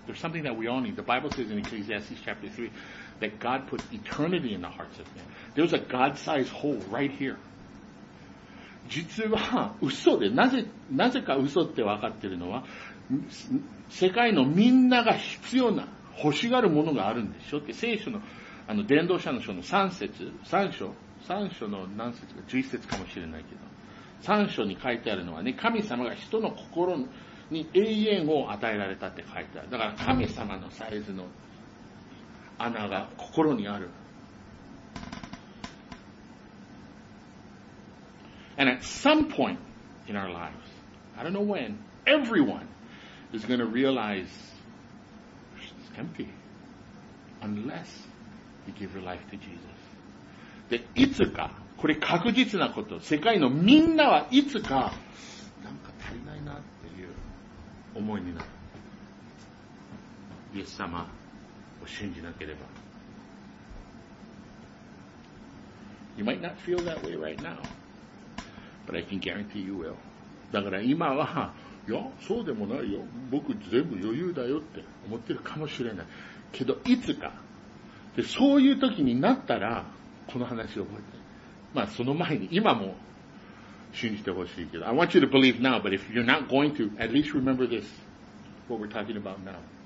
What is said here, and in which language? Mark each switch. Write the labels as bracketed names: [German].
[English] There's something that we all need. The Bible says in Ecclesiastes chapter 3 that God put eternity in the hearts of men. There's a God-sized hole right here. [Japanese] 実は嘘で、なぜか嘘って分かってるのは、世界のみんなが必要な、欲しがるものがあるんでしょって、聖書の、あの、伝道者の書の11節かもしれないけど。三章に書いてあるのはね、神様が人の心に永遠を与えられたって書いてある。だから神様のサイズの穴が心にある。 [English] And at some point in our lives, I don't know when, everyone is going to realize it's empty unless you give your life to Jesus. [Japanese] で、いつか、これ確実なこと。世界のみんなはいつか、なんか足りないなっていう思いになる。イエス様を信じなければ。 [English] You might not feel that way right now, but I can guarantee you will. [Japanese] だから今は、いや、そうでもないよ。僕全部余裕だよって思ってるかもしれない。けど、いつか。で、そういう時になったら、この話を覚えて。まあその前に今も信じてほしいけど。 [English] I want you to believe now, but if you're not going to, at least remember this, what we're talking about now.